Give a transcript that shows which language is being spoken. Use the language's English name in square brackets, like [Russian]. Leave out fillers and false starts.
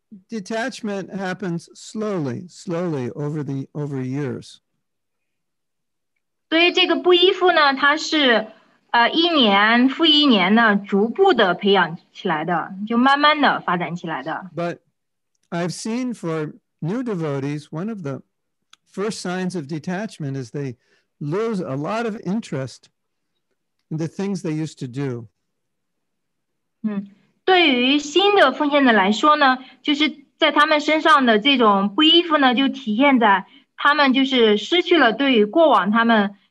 [English] detachment happens slowly over years. [Chinese] 所以这个不依附呢，它是一年复一年的逐步的培养起来的，就慢慢的发展起来的。 [English] But I've seen for new devotees, one of the first signs of detachment is they lose a lot of interest in the things they used to do. [Chinese] 对于新的奉献的来说呢，就是在他们身上的这种不依附呢，就体现在他们就是失去了对于过往他们